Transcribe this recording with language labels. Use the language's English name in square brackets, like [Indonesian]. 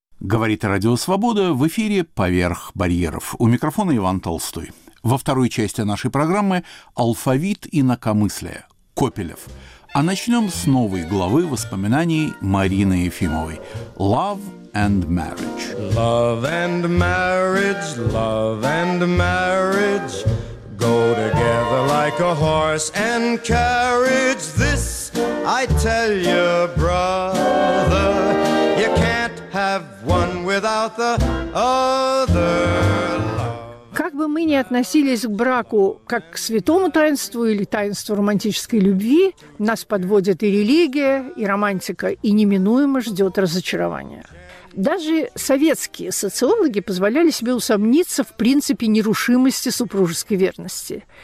[Russian] Говорит Радио Свобода в эфире «Поверх барьеров». У микрофона Иван Толстой. Во второй части нашей программы «Алфавит инакомыслия» – Копелев. А начнем с новой главы воспоминаний Марины Ефимовой «Love and Marriage». [English] Love and marriage, love and marriage go together like a horse and carriage. This I tell you, brother, you can't have one without the other. [Russian] Как бы мы ни относились к браку как к святому таинству или таинству романтической любви, нас подводит и религия, и романтика, и неминуемо ждет разочарование. Даже советские социологи позволяли себе усомниться в принципе нерушимости супружеской верности.